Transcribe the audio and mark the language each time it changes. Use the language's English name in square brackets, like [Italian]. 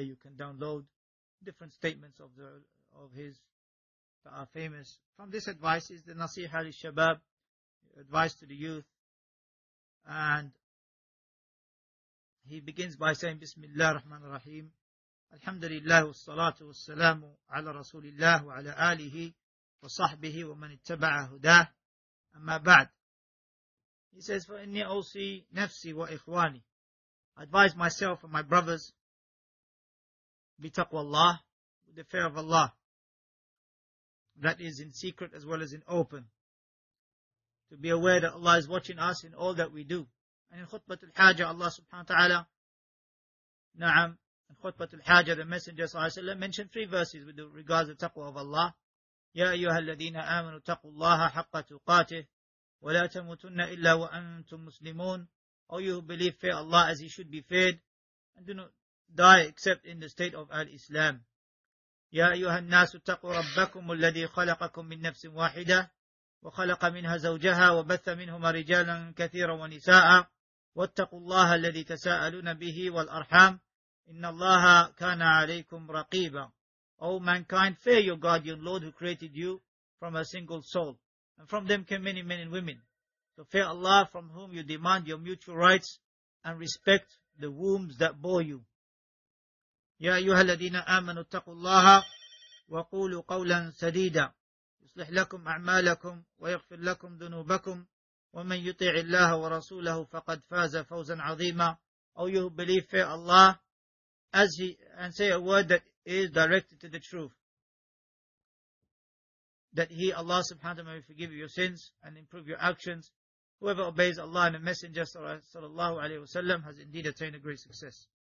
[English] You can download different statements of his that are famous. From this advice is the Nasiha li Shabab, advice to the youth. And he begins by saying, Bismillah ar-Rahman ar-Rahim. [Arabic] الحمد لله والصلاة والسلام على رسول الله وعلى آله وصحبه ومن اتبع هداه. أما بعد، [English] he says, [Arabic] فإني أوصي نفسي وإخواني. [English] I advise myself and my brothers [Arabic] بتقوى الله, [English] with the fear of Allah, that is in secret as well as in open, to be aware that Allah is watching us in all that we do. And in [Arabic] خطبة الحاجة, [English] Allah subhanahu wa ta'ala, [Arabic] نعم, [English] in [Arabic] خطبه الحاجه, [English] the messenger [Arabic] صلى الله عليه وسلم [English] mentioned three verses with regards to taqwa of Allah. [Arabic] يا ايها الذين امنوا اتقوا الله حق تقاته ولا تموتن الا وانتم مسلمون. [English] Oh, you who believe, fear Allah as he should be feared, and do not die except in the state of al-islam. [Arabic] يا ايها الناس اتقوا ربكم الذي خلقكم من نفس واحده وخلق منها زوجها وبث منهما رجالا كثيرا ونساء واتقوا الله الذي تساءلون به والارحام إن الله كان عليكم رقيبا. [English] O mankind, fear your guardian Lord who created you from a single soul, and from them came many men and women. So fear Allah, from whom you demand your mutual rights, and respect the wombs that bore you. [Arabic] يا أيها الذين آمنوا اتقوا الله وقولوا قولا سديدا يصلح لكم أعمالكم ويغفر لكم ذنوبكم ومن يطع الله ورسوله فقد فاز فوزا عظيما. [English] O you who believe, fear Allah and say a word that is directed to the truth, that he, Allah subhanahu wa ta'ala, may forgive your sins and improve your actions. Whoever obeys Allah and the Messenger sallallahu alayhi wa sallam has indeed attained a great success.